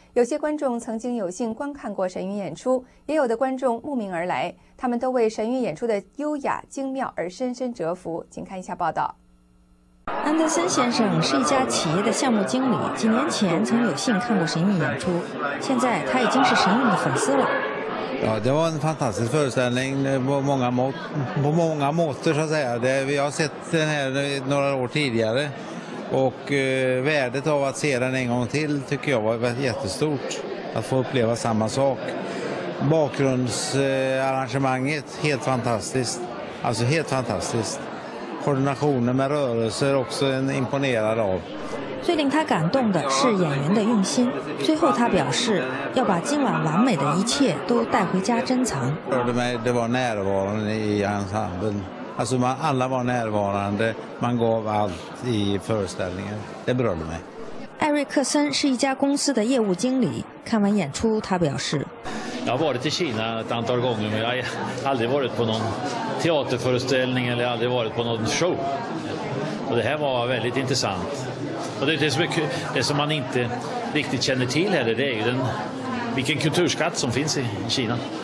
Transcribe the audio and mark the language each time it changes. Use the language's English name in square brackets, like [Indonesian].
[Chinese] 有些观众曾经有幸观看过神韵演出，也有的观众慕名而来，他们都为神韵演出的优雅精妙而深深折服。请看一下报道。安德森先生是一家企业的项目经理，几年前曾有幸看过神韵演出，现在他已经是神韵的粉丝了。 [Swedish] Ja, det var en fantastisk föreställning på många måter, så att säga. Vi har sett den här några år tidigare, och värdet av att se den en gång till tycker jag var jättestort, att få uppleva samma sak. Bakgrundsarrangemanget helt fantastiskt, alltså helt fantastiskt. Koordinationen med rörelser också en imponerad av. [Chinese] 最令他感动的是演员的用心。最后他表示，要把今晚完美的一切都带回家珍藏。 [Swedish] Det var närvarande i ensemblen. Alltså man alla var närvarande. Man gav allt i föreställningen. Det berörde mig. [Chinese] 艾瑞克森是一家公司的业务经理。看完演出，他表示。 [Swedish] Jag har varit i Kina ett antal gånger, men jag har aldrig varit på någon teaterföreställning eller aldrig varit på någon show. Och det här var väldigt intressant. Och det är så mycket, det som man inte riktigt känner till heller, det är ju vilken kulturskatt som finns i Kina.